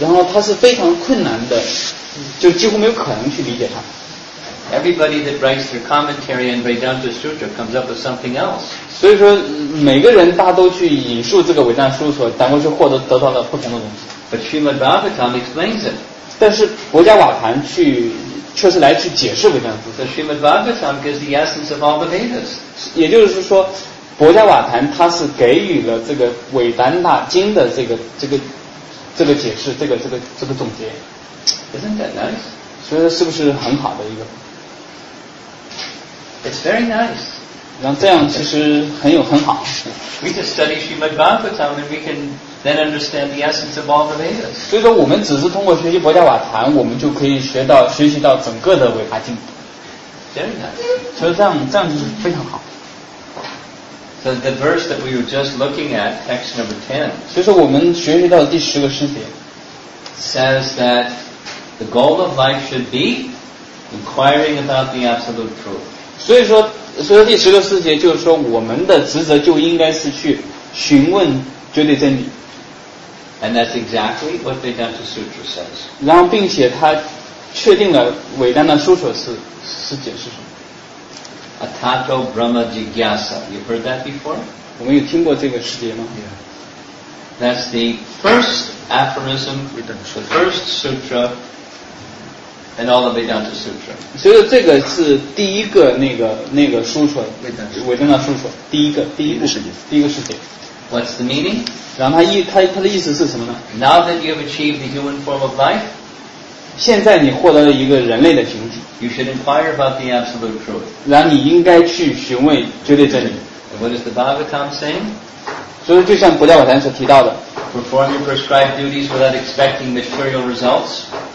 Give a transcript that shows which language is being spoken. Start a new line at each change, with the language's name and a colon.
Chinese: 然后它是非常困难的，就几乎没有可能去理解它。
English: Everybody that writes their commentary on Vedanta Sutra comes up with something else.
Chinese: 所以说每个人大都去引述这个伟大书所然后就获得得到了不同的东西。
English: But Srimad Bhagavatam explains it.
Chinese: 但是博迦瓦坛去确实来去解释伟大书。
English: So Srimad Bhagavatam gives the essence of all the Vedas.
Chinese: 也就是说博迦瓦坛它是给予了这个伟大那经的这个解释这个总结。
English: Isn't that nice?
Chinese: 所以是不是很好的一个
English: It's very nice.
Chinese: 然后这样其实很好。
English: We just study Srimad Bhagavatam and we can then understand the essence of all the Vedas.
Chinese: 所以说我们只是通过学习博迦瓦坛我们就可以学习到整个的伟大经。
English: Very nice.
Chinese: 所以这样就是非常好。
English: So the verse that we were just looking at, text number 10,
Chinese: 所以说我们学习到的第十个诗节
English: says that The goal of life should be inquiring about the absolute truth.
Chinese: 所以说第十个世界就是说我们的职责就应该是去询问绝对真理。
English: And that's exactly what Vedanta Sutra says.
Chinese: 然后并且他确定了伟大的书所是解释什么。
Sanskrit: Atato Brahma Jigyasa.
English: You heard that before?
Chinese: 我们有听过这个世界吗？
English: Yeah. That's the first aphorism, the first sutra,And all the Vedanta Sutra.
Chinese: 所以说这个是第一个那个书说伟大的书说第一个世界。
English: What's the meaning?
Chinese: 然后他的意思是什么呢
English: ？Now that you have achieved the human form of life,
Chinese: 现在你获得了一个人类的形体。
English: You should inquire about the absolute truth.
Chinese: 然后你应该去询问绝对真理。
English: And what is the Bhagavatam saying?
Chinese: 所以就像博迦瓦坛所提到的
English: ，Perform your prescribed duties without expecting material results.